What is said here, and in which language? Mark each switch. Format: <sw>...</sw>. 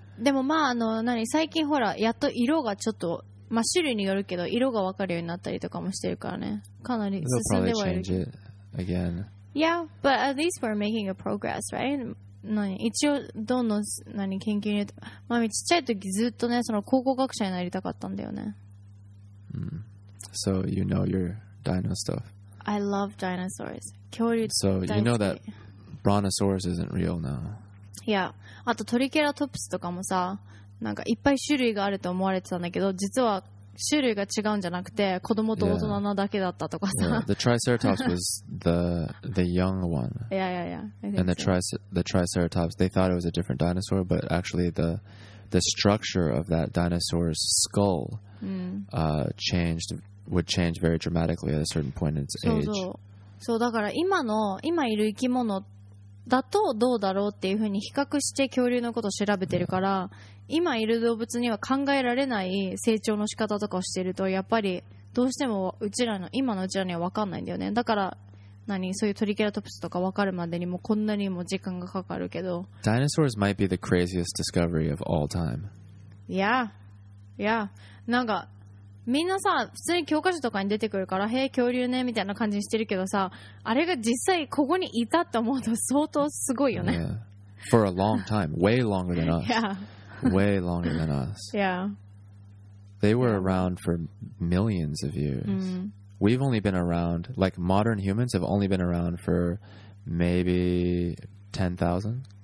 <ja>でもまあ何最近ほらやっと色がちょっとまあ種類によるけど色が分かるようになったりとかもしてるからね。かなり進んではいる。</ja> <en>Change it again. Yeah, but at least we're making a progress, right?</en> <ja>何一応どんどん何研究に入れて、マミちっちゃい時ずっとねその考古学者になりたかったんだよね。</ja> <en>So you know your dino stuff. I love dinosaurs.</en> <ja>恐竜大好</ja> <en>き。 So you know that brontosaurus isn't real now.</en> <ja>Yeah. あとトリケラトプスとかもさ、なんかいっぱい種類があると思われてたんだけど、実は種類が違うんじゃなくて子供と大人なだけだったとかさ。</ja> <en>The triceratops was the young one. Yeah, yeah, yeah. And the triceratops, they thought it was a different dinosaur, but actually the structure of that dinosaur's skull would change very dramatically at a certain point in its age.</en> <ja>そうそう。そうだから今いる生き物だとどうだろうっていうふうに比較して恐竜のことを調べてるから、今いる動物には考えられない成長の仕方とかをしてると、やっぱりどうしてもうちらの今のうちらには分かんないんだよね。だから何そういうトリケラトプスとか分かるまでにもこんなにも時間がかかるけど。</ja> <en>Dinosaurs might be the craziest discovery of all time. Yeah, yeah.</en> <ja>なんかみんなさ普通に教科書とかに出てくるから、へえ恐竜ねみたいな感じにしてるけどさ、あれが実際ここにいたって思うと相当すごいよね。</ja> <en>Yeah. For a long time, way longer than us. Yeah. Way longer than us. Yeah. They were around for millions of years. Mm-hmm. We've only been around, like modern humans have only been around for maybe 10,000.</en>